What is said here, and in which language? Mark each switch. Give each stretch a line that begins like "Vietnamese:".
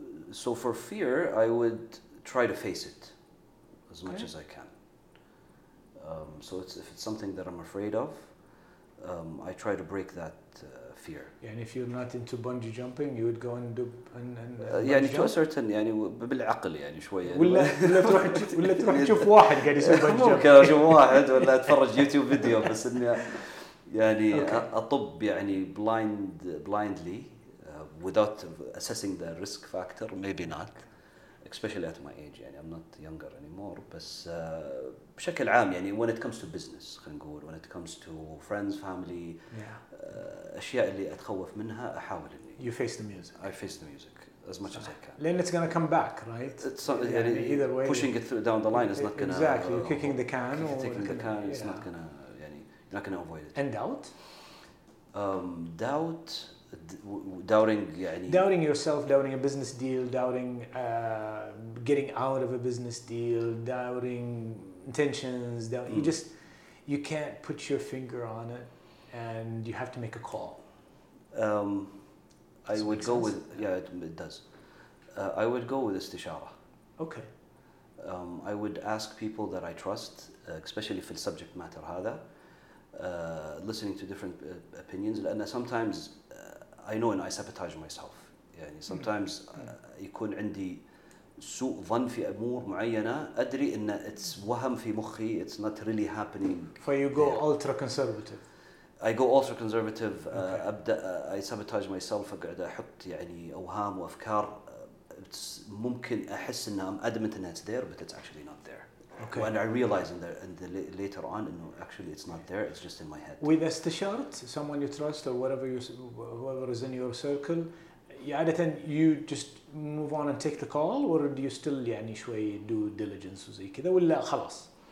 English: So for fear, I would try to face it as much as I can. So it's, if it's something that I'm afraid of, I try to break that fear. Yeah, and if you're not into bungee jumping, you would go and do and
Arabic: يعني
English: to a certain
Arabic: يعني بالعقل يعني شوية. ولا تروح تشوف واحد قاعد يسوي bungee jumping. ممكن أشوف واحد ولا أتفرج يوتيوب فيديو بس إني يعني أطب يعني
English: blindly without assessing the risk factor maybe not. Especially at my age,
Arabic: يعني
English: I'm not younger anymore.
Arabic: بس بشكل عام يعني
English: when it comes to business,
Arabic: خلينا نقول
English: when it comes to friends, family,
Arabic: أشياء اللي أتخوف منها أحاول إني.
English: You face the music. I face the music as much as I can.
Arabic: لأن
English: it's gonna come back, right? It's
Arabic: يعني
English: either way. Pushing it down the line is not gonna. Exactly, you're kicking the can. Kicking the can, it's not gonna,
Arabic: يعني
English: you're not gonna avoid it. And doubt. Doubt. Doubting,
Arabic: يعني
English: doubting yourself, doubting a business deal, doubting getting out of a business deal, doubting intentions. You just, you can't put your finger on it, and you have to make a call. I would go with it does. I would go with istishara. Okay. I would ask people that I trust, especially
Arabic: في
English: subject matter هذا. Listening to different opinions, and sometimes. I know and I sabotage myself.
Arabic: يعني
English: sometimes
Arabic: يكون عندي سوء ظن في أمور معينة أدري إن it's وهم في مخي,
English: it's not really happening. For you go ultra conservative. I go ultra conservative. I sabotage myself.
Arabic: أقعد أحط يعني أوهام وأفكار.
English: It's
Arabic: ممكن أحس إن
English: I'm adamant that it's there, but it's actually not there. Okay. When I realize in the, later on, no, actually it's not there, it's just in my head. With istishara, someone you trust or whatever you, whoever is in your circle, you just move on and take the call, or do you still
Arabic: يعني شوي
English: do diligence
Arabic: وزي كذا ولا خلاص؟